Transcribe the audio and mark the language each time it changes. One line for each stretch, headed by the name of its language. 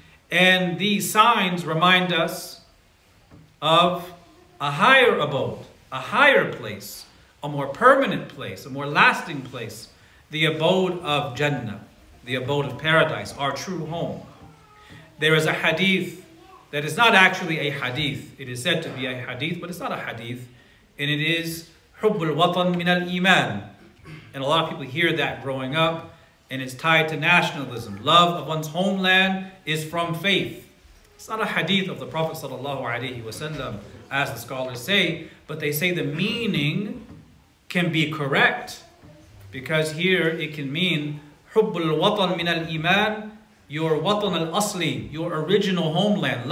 English: And these signs remind us of a higher abode, a higher place, a more permanent place, a more lasting place, the abode of Jannah, the abode of paradise, our true home. There is a hadith that is not actually a hadith. It is said to be a hadith, but it's not a hadith. And it is
Arabic: حب الوطن من الإيمان.
English: And a lot of people hear that growing up, and it's tied to nationalism. Love of one's homeland is from faith. It's not a hadith of the Prophet sallallahu alaihi wasallam, as the scholars say, but they say the meaning can be correct, because here it can mean
Arabic: حب الوطن من الإيمان,
English: your watan al-asli, your original homeland.